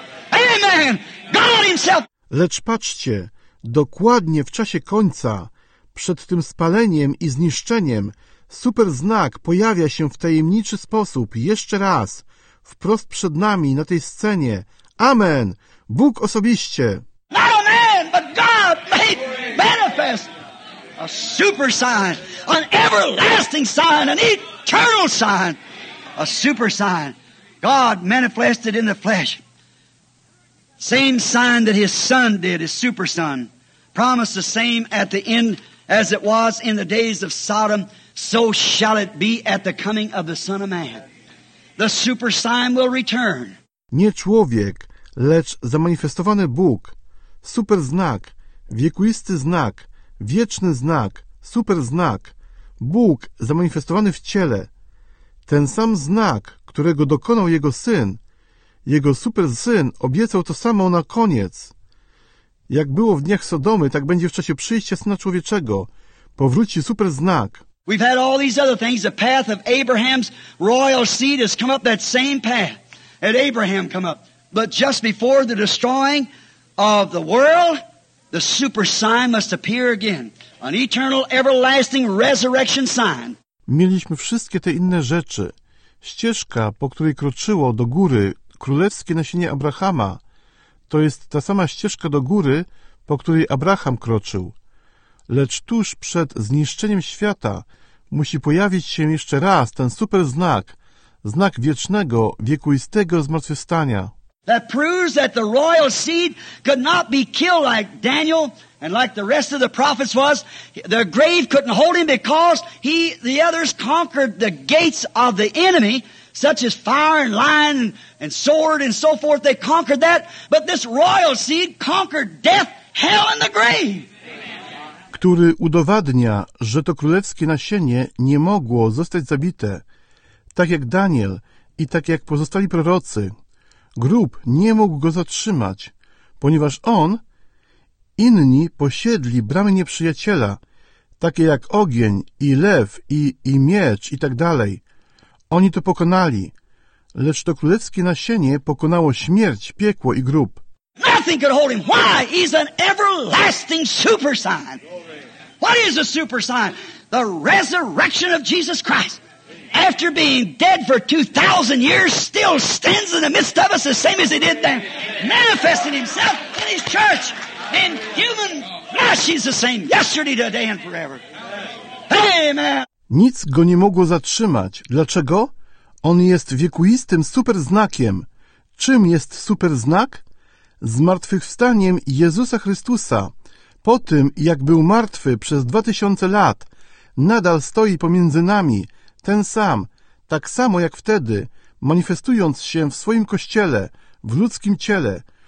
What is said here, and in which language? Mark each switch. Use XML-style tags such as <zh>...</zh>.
<en>Amen. God himself.</en> <pl>Lecz patrzcie, dokładnie w czasie końca, przed tym spaleniem i zniszczeniem, super znak pojawia się w tajemniczy sposób jeszcze raz, wprost przed nami na tej scenie. Amen. Bóg osobiście.</pl> <en>Not a man, but God made manifest a super sign, an everlasting sign, an eternal sign, a super sign. God manifested in the flesh. Same sign that his son did, his super son, promised the same at the end as it was in the days of Sodom, so shall it be at the coming of the Son of Man. The super sign will return.</en> <pl>Nie człowiek, lecz zamanifestowany Bóg, super znak, wiekuisty znak, wieczny znak, super znak, Bóg zamanifestowany w ciele, ten sam znak, którego dokonał jego syn, jego super syn obiecał to samo na koniec. Jak było w dniach Sodomy, tak będzie w czasie przyjścia Syna Człowieczego. Powróci super znak.</pl> <en>We've had all these other things. The path of Abraham's royal seed has come up, that same path that Abraham come up. But just before the destroying of the world, the super sign must appear again. An eternal, everlasting resurrection sign.</en> <pl>Mieliśmy wszystkie te inne rzeczy. Ścieżka, po której kroczyło do góry królewskie nasienie Abrahama, to jest ta sama ścieżka do góry, po której Abraham kroczył. Lecz tuż przed zniszczeniem świata musi pojawić się jeszcze raz ten super znak, znak wiecznego, wiekuistego zmartwychwstania.</pl> <en>That proves that the royal seed could not be killed like Daniel and like the rest of the prophets was. The grave couldn't hold him because he, the others, conquered the gates of the enemy, such as fire and lion and sword and so forth. They conquered that, but this royal seed conquered death, hell and the grave.</en> <pl>Który udowadnia, że to królewskie nasienie nie mogło zostać zabite, tak jak Daniel i tak jak pozostali prorocy. Grób nie mógł go zatrzymać, ponieważ on, inni posiedli bramy nieprzyjaciela, takie jak ogień i lew i miecz i tak dalej. Oni to pokonali, lecz to królewskie nasienie pokonało śmierć, piekło i grób.</pl> <en>Nothing could hold him. Why? He's an everlasting super sign. What is a super sign? The resurrection of Jesus Christ. After being dead for 2,000 years, still stands in the midst of us the same as he did then. Manifesting himself in his church. In human flesh, he's the same yesterday, today and forever. Amen.</en> <pl>Nic go nie mogło zatrzymać. Dlaczego? On jest wiekuistym super znakiem. Czym jest super znak? Zmartwychwstaniem Jezusa Chrystusa. Po tym, jak był martwy przez 2000 lat, nadal stoi pomiędzy nami, ten sam, tak samo jak wtedy, manifestując się w swoim kościele, w ludzkim ciele.</pl>